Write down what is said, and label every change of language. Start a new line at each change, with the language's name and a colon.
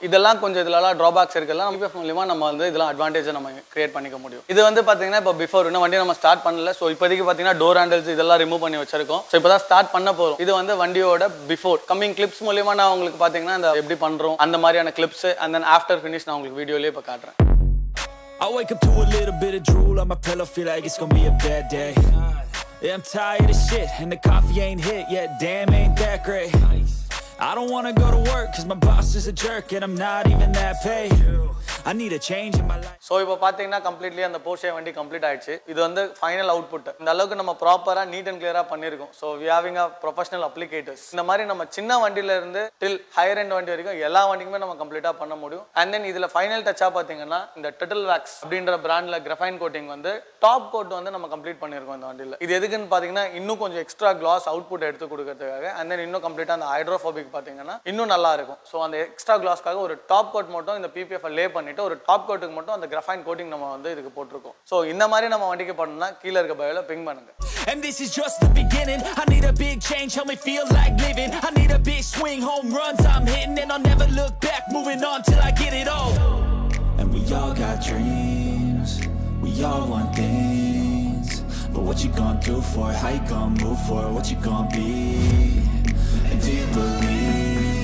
Tamil: இதெல்லாம் கொஞ்சம் இதுலாம் ட்ராபேக்ஸ் இருக்கலாம். பிபிஎஃப் மூலமா நம்ம வந்து இதெல்லாம் அட்வான்டேஜ் நம்ம கிரியேட் பண்ணிக்க முடியும். இது வந்து பாத்தீங்கன்னா இப்போ பிஃபோர் இன்னும் வண்டி நம்ம ஸ்டார்ட் பண்ணல. ஸோ இப்போதைக்கு பாத்தீங்கன்னா டோர் ஹேண்டில்ஸ் இதெல்லாம் ரிமூவ் பண்ணி வச்சிருக்கோம். ஸோ இப்போதான் ஸ்டார்ட் பண்ண போறோம். இது வந்து வண்டியோட பிஃபோர். கம்மிங் கிளிப்ஸ் மூலமா நான் உங்களுக்கு பாத்தீங்கன்னா அந்த எப்படி பண்றோம் அந்த மாதிரியான clips and then after finish நான் உங்களுக்கு வீடியோலயே இப்ப காட்டுறேன்.
English: I wake up to a little bit of drool on my pillow, feel like it's gonna be a bad day. Yeah, I'm tired of shit, and the coffee ain't hit yet, damn, ain't that great. I don't wanna go to work, cause my boss is a jerk, and I'm not even that paid. I need a change in my life.
Tamil: So இப்போ பாத்தீங்கன்னா completely அந்த Porsche வண்டி complete ஆயிடுச்சு. இது வந்து final output. இந்த அளவுக்கு நம்ம ப்ராப்பரா நீட் அண்ட் கிளியரா பண்ணிருக்கோம்.
English: So we having a professional applicators.
Tamil: இந்த மாதிரி நம்ம சின்ன வண்டியில இருந்து டில் ஹையர் எண்ட் வண்டி வரைக்கும் எல்லா வண்டிக்குமே நம்ம கம்ப்ளீட்டா பண்ண முடியும். அண்ட் தென் இதுல ஃபைனல் டச்சா பாத்தீங்கன்னா இந்த டிட்டில் வேக்ஸ் அப்படின்ற பிராண்ட்ல கிரஃபைன் கோட்டிங் வந்து டாப் கோட் வந்து நம்ம கம்ப்ளீட் பண்ணிருக்கோம் இந்த வண்டியில. இது எதுக்குன்னு பாத்தீங்கன்னா இன்னும் கொஞ்சம் எக்ஸ்ட்ரா கிளாஸ் அவுட்புட் எடுத்து கொடுக்கறதுக்காக. அண்ட் தென் இன்னும் கம்ப்ளீட்டா அந்த ஹைட்ரோபோபிக் பாத்தீங்கன்னா இன்னும் நல்லா இருக்கும். ஸோ அந்த எக்ஸ்ட்ரா கிளாஸ்க்காக ஒரு டாப் கோட் மட்டும் இந்த பிபிஎஃப் லே பண்ணிட்டு ஒரு டாப் கோட்டுக்கு மட்டும் அந்த கிராஃபைன் கோட்டிங் நம்ம வந்து இதுக்கு போட்டுருக்கோம். ஸோ இந்த மாதிரி நம்ம வண்டிக்கு போடணும்னா கீழே இருக்க பயோல பிங் பண்ணுங்க.
English: And this is just the beginning. I need a big change, help me feel like living. I need a big swing, home runs I'm hitting. And I'll never look back, moving on till I get it all. And we all got dreams, we all want things. But what you gonna do for it, how you gonna move for it, what you gonna be? And do you believe?